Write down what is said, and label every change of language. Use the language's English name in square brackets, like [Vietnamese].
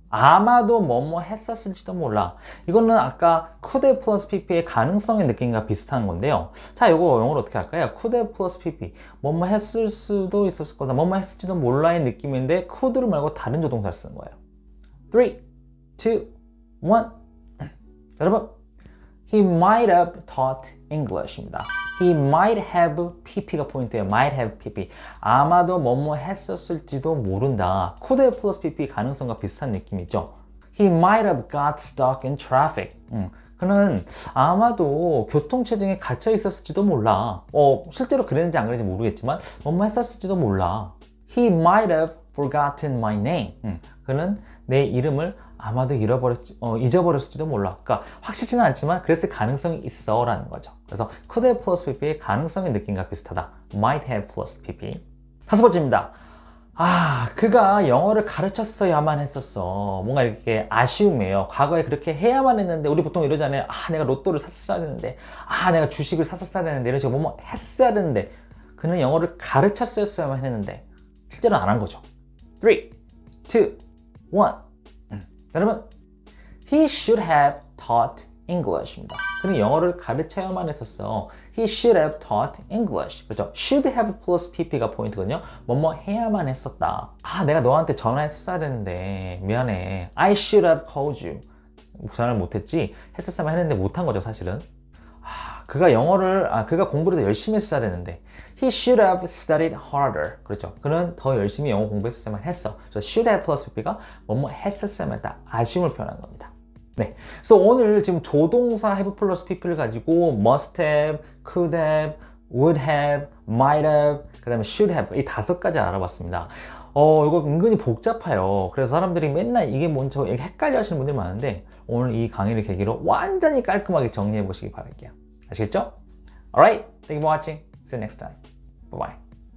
[Korean] 아마도 뭐뭐 했었을지도 몰라. 이거는 아까 could have plus pp의 가능성의 느낌과 비슷한 건데요. 자, 이거 영어로 어떻게 할까요? [English] could have plus pp. [Korean] 뭐뭐 했을 수도 있었을 거다. 뭐뭐 했을지도 몰라의 느낌인데 could를 말고 다른 조동사를 쓰는 거예요. 3, 2, 1. 여러분, [English] He might have taught English입니다. He might have PP가 포인트예요. Might have PP. [Korean] 아마도 뭐뭐 했었을지도 모른다. [English] Could have plus PP [Korean] 가능성과 비슷한 느낌이죠. [English] He might have got stuck in traffic. [Korean] 그는 아마도 교통체증에 갇혀 있었을지도 몰라. 실제로 그랬는지 안 그랬는지 모르겠지만 뭐뭐 했었을지도 몰라. [English] He might have forgotten my name. [Korean] 그는 내 이름을 아마도 잊어버렸을지도 몰라. 그러니까 확실치는 않지만 그랬을 가능성이 있어 라는 거죠. 그래서 could have plus PP의 가능성의 느낌과 비슷하다. [English] Might have plus PP. [Korean] 다섯 번째입니다. 아, 그가 영어를 가르쳤어야만 했었어. 뭔가 이렇게 아쉬움이에요. 과거에 그렇게 해야만 했는데, 우리 보통 이러잖아요. 아, 내가 로또를 샀어야 했는데, 아, 내가 주식을 샀었어야 했는데, 이런 식으로 뭐뭐 했어야 했는데, 그는 영어를 가르쳤어야만 했는데, 실제로 안 한 거죠. 3, 2, 1. 여러분, [English] he should have taught English입니다. [Korean] 그는 영어를 가르쳐야만 했었어. [English] He should have taught English. [Korean] 그렇죠? [English] Should have plus PP가 포인트거든요. [Korean] 뭐뭐 해야만 했었다. 아, 내가 너한테 전화했었어야 했는데 미안해. [English] I should have called you. [Korean] 전화를 못했지. 했었으면 했는데 못한 거죠, 사실은. 아, 그가 공부를 더 열심히 했어야 했는데. [English] He should have studied harder. [Korean] 그렇죠? 그는 더 열심히 영어 공부했었으면 했어. 그래서 should have plus PP가 뭐뭐 했었으면 했다. 아쉬움을 표현한 겁니다. 네. [English] So 오늘 지금 조동사 have plus PP를 가지고 must have, could have, would have, might have, 그 다음에 should have [Korean] 이 다섯 가지 알아봤습니다. 이거 은근히 복잡해요. 그래서 사람들이 맨날 이게 뭔지 헷갈려 하시는 분들이 많은데 오늘 이 강의를 계기로 완전히 깔끔하게 정리해 보시기 바랄게요. 아시겠죠? [English] Alright. Thank you for watching. See you next time. Bye bye.